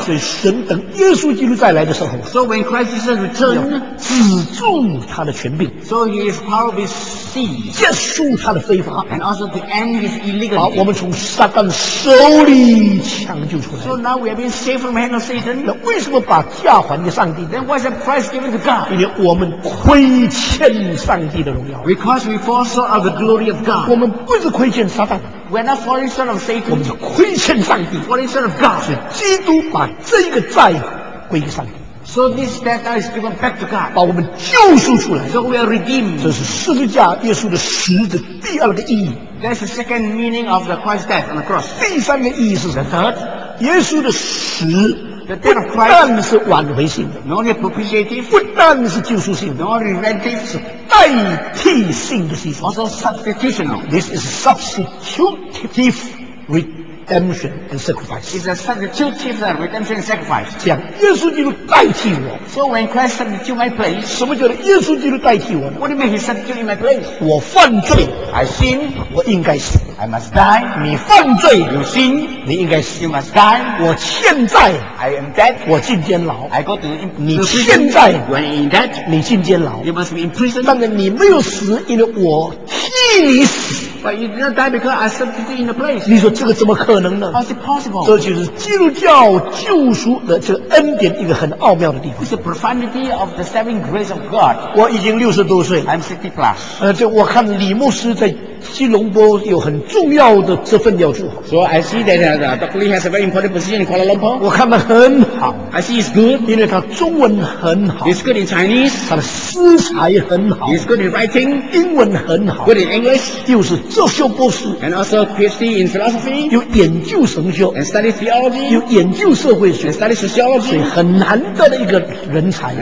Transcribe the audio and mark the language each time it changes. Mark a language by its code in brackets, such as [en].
[zh] 所以神等耶稣基督再来的时候。 [en] So when Christ Jesus returns, [zh] 止住他的权柄。 [en] So his power will be seized. [zh] 结束他的非法。 [en] And also to end his illegal. [zh] 好，我们从撒旦手里抢救出来。 [en] So now we have been saved from the hand of Satan. [zh] 为什么把价还给上帝 [en] Then why is the price given to God? [zh] 因为我们亏欠上帝的荣耀 [en] Because we fall short of the glory of God [zh] 我们不是亏欠撒旦 [en] We are not falling short of Satan [zh] 我们是亏欠上帝 [en] Falling short of God [zh] 是基督把这个债归给上帝 [en] So this debt is given back to God [zh] 把我们救赎出来 [en] So we are redeemed [zh] 这是十字架耶稣的死的第二个意义 [en] That's the second meaning of the Christ's death on the cross [zh] 第三个意义是 [en] The third [zh] 耶稣的死 [en] The death of Christ, [zh] 不但是挽回性的 [en] not only propitiative, [zh] 不但是救赎性的 [en] not only redemptive, [zh] 是代替性的牺牲 [en] also substitutional This is substitutive redemption and sacrifice It's a substitutive redemption and sacrifice [zh] 这样耶稣基督代替我 [en] So when Christ substitute my place [zh] 什么叫做耶稣基督代替我呢 [en] What do you mean he substitute my place [zh] 我犯罪 [en] I sin [zh] 我应该死 [en] I must die [zh] 你犯罪 [en] You sin [zh] 你应该死 [en] You must die [zh] 我欠债 [en] I am dead. [zh] 我进监牢。 [en] I go to imprison. [zh] 你现在 [en] when in debt, [zh] 你进监牢。 [en] You must be in prison. [zh] 但是你没有死，因为我替你死。 [en] But you did not die because I substituted in the place. [zh] 你说这个怎么可能呢 [en] ？How is it possible? [zh] 这就是基督教救赎的这个恩典一个很奥妙的地方。 [en] It's the profundity of the saving grace of God. [zh] 我已经六十多岁。 [en] I'm 60 plus. [zh] 这我看李牧师在吉隆坡有很重要的这份要做。 [en] So I see that Dr. Lee has a very important position in Kuala Lumpur. [zh] 我看到很好。 [en] I see it's good. [zh] 因为他中文很好。 [en] He's good in Chinese. [zh] 他的诗才很好。 [en] He's good in writing. [zh] 英文很好。 [en] Good in English. [zh] 又是哲学博士。 [en] And also PhD in philosophy. [zh] 又研究神学。 [en] And study theology. [zh] 又研究社会学。 [en] And study sociology. [zh] 所以很难得的一个人才。